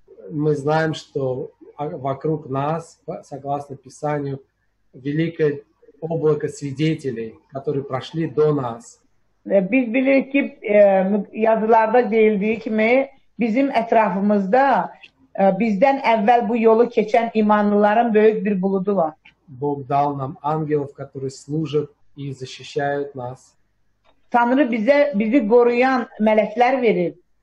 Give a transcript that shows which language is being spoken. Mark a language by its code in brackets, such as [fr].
[ru] Мы знаем, что вокруг нас, согласно Писанию, великое облако свидетелей, которые прошли до нас. [az] Biz bilirik ki, yazılarda deyildiyi kimi, bizim etrafımızda bizden evvel bu yolu geçen imanlıların büyük bir buludu var. [ru] Бог дал нам ангелов, которые служат и защищают нас. [az] Tanrı bize bizi koruyan melekler verir.